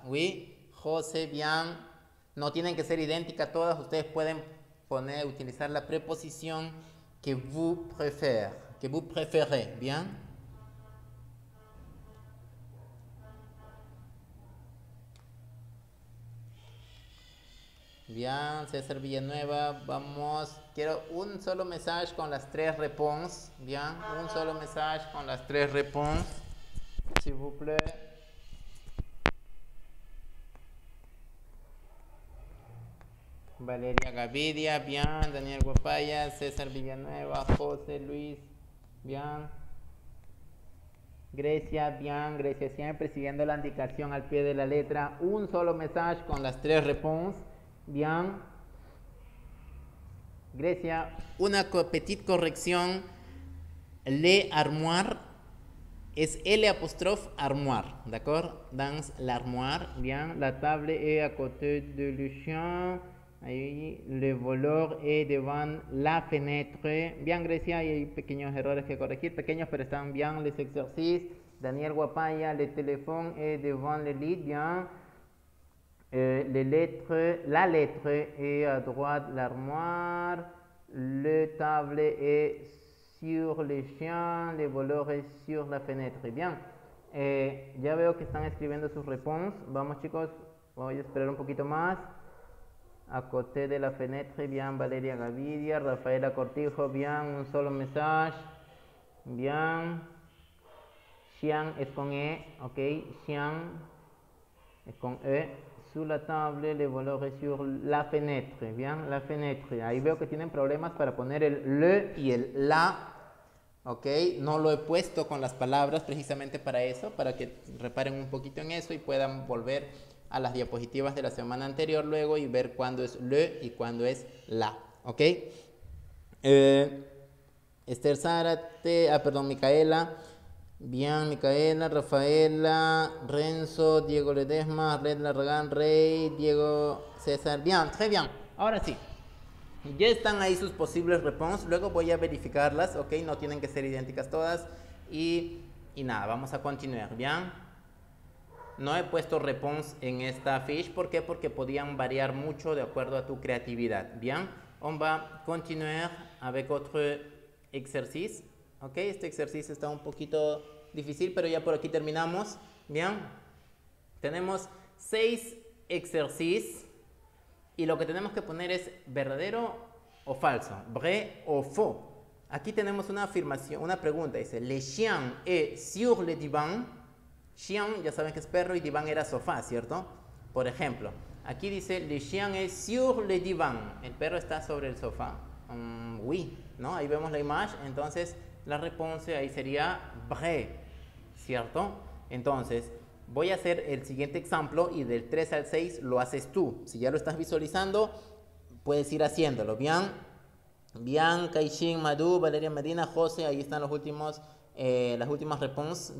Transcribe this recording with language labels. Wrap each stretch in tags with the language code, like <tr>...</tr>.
<es>Oui, José, bien. No tienen que ser idénticas todas, ustedes pueden utilizar la preposición que</es> <fr>vous préférez,</fr> <es>¿bien? Bien, César Villanueva, vamos, quiero un solo mensaje con las 3 réponses, ¿bien? Un solo mensaje con las 3 réponses,</es> <fr>s'il vous plaît.</fr> <es>Valeria Gavidia, bien, Daniel Guapaya, César Villanueva, José Luis, bien. Grecia, bien, Grecia siempre siguiendo la indicación al pie de la letra. Un solo mensaje con las 3 réponses, bien. Grecia, una petite corrección.</es> <fr>Le armoire es L' armoire, ¿d'accord? Dans l'armoire, bien. La table est à côté de Lucien. Ahí, le voleur est devant la fenêtre.</fr> <es>Bien, Grecia, hay pequeños errores que corregir, pequeños, pero están bien los ejercicios.</es> <fr>Daniel Guapaya, le téléphone est devant le lit, bien. La lettre est à droite de l'armoire. Le table est sur le chien, le voleur est sur la fenêtre.</fr> <es>Bien, ya veo que están escribiendo sus réponses. Vamos, chicos, voy a esperar un poquito más.</es> <fr>A côté de la fenêtre, bien, Valeria Gavidia, Rafaela Cortijo, bien,</fr> <es>un solo mensaje,</es> <fr>bien.</fr> <es>Xian es con E, ok. Xian es con E.</es> <fr>Sur la table, le voleur est sur la fenêtre. Bien, la fenêtre.</fr> <es>Ahí veo que tienen problemas para poner el le y el la. Ok, no lo he puesto con las palabras precisamente para eso, para que reparen un poquito en eso y puedan volver a las diapositivas de la semana anterior luego y ver cuándo es le y cuándo es la. Ok. Esther Zárate, ah, perdón, Micaela. Bien, Micaela, Rafaela, Renzo, Diego Ledesma, Red Largan, Rey, Diego César. Bien,</es> <fr>très bien.</fr> <es>Ahora sí. Ya están ahí sus posibles réponses. Luego voy a verificarlas, ¿ok? No tienen que ser idénticas todas. Y nada, vamos a continuar, ¿bien? No he puesto réponses en esta fiche. ¿Por qué? Porque podían variar mucho de acuerdo a tu creatividad, ¿bien?</es> <fr>On va continuar avec otro exercice, ¿ok?</fr> <es>Este exercice está un poquito difícil, pero ya por aquí terminamos, ¿bien? Tenemos 6 exercices. Y lo que tenemos que poner es verdadero o falso, vrai o faux. Aquí tenemos una afirmación, una pregunta, dice,</es> <fr>le chien est sur le divan.</fr> <es>Chien, ya saben que es perro y divan era sofá, ¿cierto? Por ejemplo, aquí dice,</es> <fr>le chien est sur le divan.</fr> <es>El perro está sobre el sofá. Oui, ¿no? Ahí vemos la imagen. Entonces, la respuesta ahí sería vrai, ¿cierto? Entonces, voy a hacer el siguiente ejemplo y del 3 al 6 lo haces tú. Si ya lo estás visualizando, puedes ir haciéndolo. Bien, bien, Kaixin, Madu, Valeria Medina, José, ahí están los últimos, las últimas respuestas.</es>